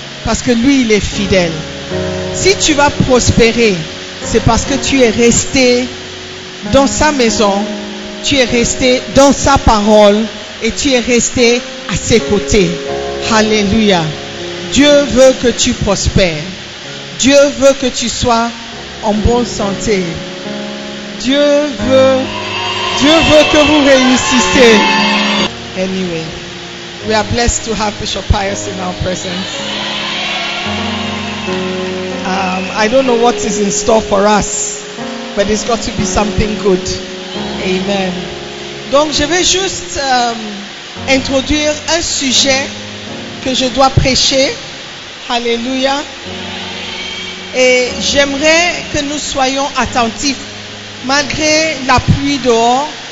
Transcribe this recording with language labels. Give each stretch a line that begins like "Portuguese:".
French: Parce que lui, il est fidèle. Si tu vas prospérer, c'est parce que tu es resté dans sa maison, tu es resté dans sa parole et tu es resté à ses côtés. Alléluia. Dieu veut que tu prospères. Dieu veut que tu sois en bonne santé. Dieu veut que vous réussissiez.
English: Anyway, we are blessed to have Bishop Pius in our presence. I don't know what is in store for us, but it's got to be something good. Amen.
French: Donc, je vais juste introduire un sujet que je dois prêcher. Alléluia. Et j'aimerais que nous soyons attentifs malgré la pluie dehors.